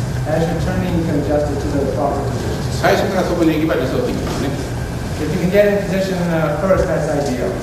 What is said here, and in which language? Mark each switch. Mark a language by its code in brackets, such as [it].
[en] As you're turning, you can adjust it to the proper position. [ja] 最初からそこに行けば理想的ですね。 [en] If you can get in position first, that's ideal.